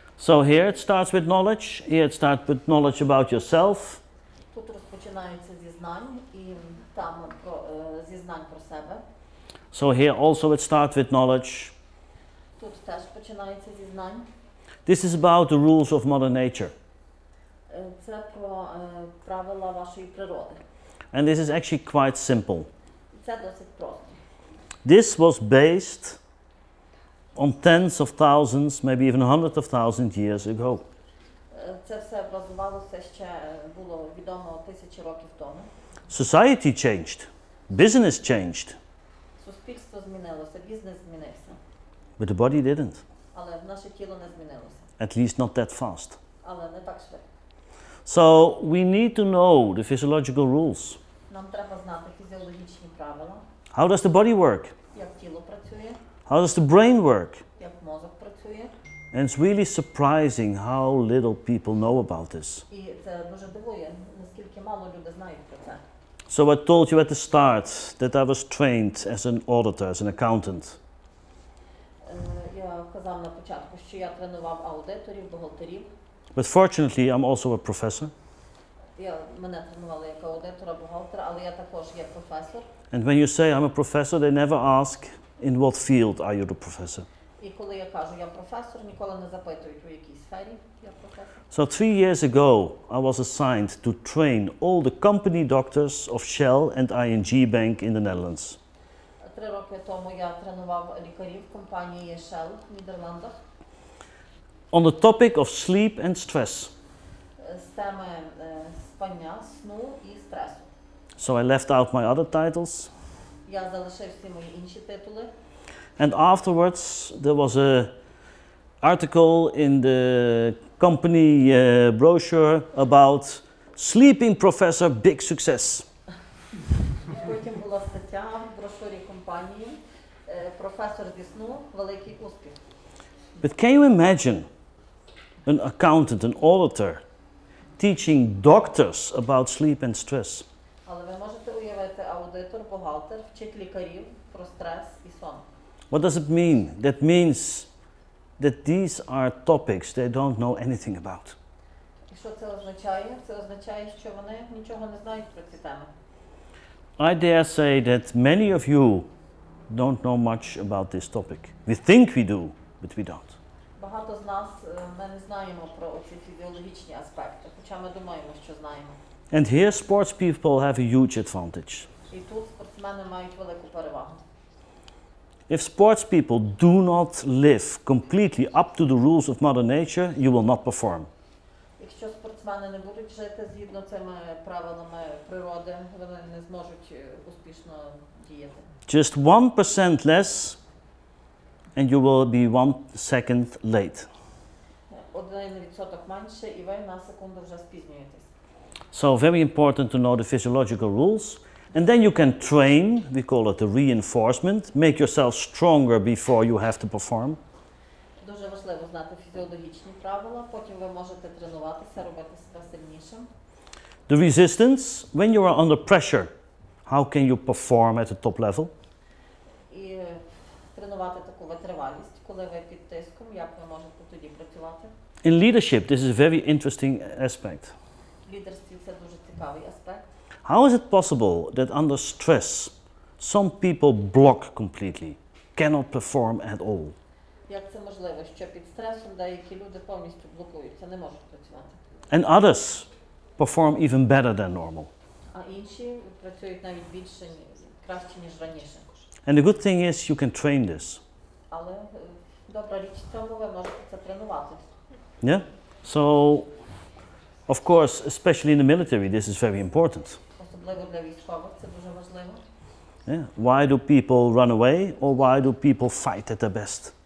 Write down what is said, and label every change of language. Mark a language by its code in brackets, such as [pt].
[en] So here it starts with knowledge. Here it starts with knowledge about yourself. [uk] Тут розпочинається зі знань і там зі знань про себе. [en] So here also it starts with knowledge. [uk] Тут теж починається зі знань. [en] This is about the rules of Mother Nature. [uk] Це про правила вашої природи. [en] And this is actually quite simple. [uk] Це досить просто. [en] This was based on tens of thousands, maybe even hundreds of thousands years ago. [uk] Це все базувалося ще, було відомо тисячі років тому. [en] Society changed. Business changed. [uk] Суспільство змінилося, бізнес змінився. [en] But the body didn't. [uk] Але наше тіло не змінилося. [en] At least not that fast. [uk] Але не так швидко. [en] So we need to know the physiological rules. [uk] Нам треба знати фізіологічні правила. [en] How does the body work? [uk] Як тіло працює? [en] How does the brain work? [uk] Як мозок працює? [en] And it's really surprising how little people know about this. [uk] І це дуже дивує, наскільки мало люди знають про це. [en] So I told you at the start that I was trained as an auditor, as an accountant. [uk] Я казав на початку, що я тренував аудиторів, бухгалтерів. [en] But fortunately, I'm also a professor. [uk] Я мене тренували як аудитора, бухгалтера, але я також є професор. [en] And when you say I'm a professor, they never ask in what field are you the professor. [uk] І коли я кажу я професор, ніколи не запитують у якій сфері я професор. [en] So 3 years ago, I was assigned to train all the company doctors of Shell and ING Bank in the Netherlands. [uk] 3 роки тому я тренував лікарів компанії Shell в Нідерландах. [en] On the topic of sleep and stress. [uk] З теми спання, сну і стресу. [en] So I left out my other titles. [uk] Я залишив всі мої інші титули. [en] And afterwards, there was a article in the company brochure about sleeping professor, big success. [uk] Потім була стаття в брошурі компанії «Професор зі сну, великий успіх». [en] But can you imagine an accountant, an auditor, teaching doctors about sleep and stress? [uk] Але ви можете уявити аудитор, бухгалтер, вчить лікарів про стрес і сон. [en] What does it mean? That means that these are topics they don't know anything about. [uk] І що це означає? Це означає, що вони нічого не знають про ці теми. [en] I dare say that many of you don't know much about this topic. We think we do, but we don't. [uk] Багато з нас, ми не знаємо про ці фізіологічні аспекти, хоча ми думаємо, що знаємо. [en] And here sports people have a huge advantage. [uk] І тут спортсмени мають велику перевагу. [en] If sports people do not live completely up to the rules of Mother Nature, you will not perform. [uk] Якщо спортсмени не будуть жити згідно цими правилами природи, вони не зможуть успішно діяти. [en] Just 1% less and you will be 1 second late. [uk] 1% менше і ви на секунду вже спізнюєтесь. [en] So very important to know the physiological rules. And then you can train, we call it a reinforcement, make yourself stronger before you have to perform. [uk] Дуже важливо знати фізіологічні правила, потім ви можете тренуватися, робити себе сильнішим. [en] The resistance, when you are under pressure, how can you perform at a top level? [uk] І тренувати таку витривалість, коли ви під тиском, як ви можете тоді працювати? [en] In leadership, this is a very interesting aspect. [uk] Лідерство це дуже цікавий аспект. [en] How is it possible that under stress some people block completely, cannot perform at all? [uk] Як це можливо, що під стресом деякі люди повністю блокуються, не можуть працювати? [en] And others perform even better than normal. [uk] А інші працюють навіть більше, краще, ніж раніше. [en] And the good thing is you can train this. [uk] Але добра річ в цьому, ви можете це тренувати. [en] Yeah? So, of course, especially in the military, this is very important. Yeah. Why do people run away or why do people fight at their best?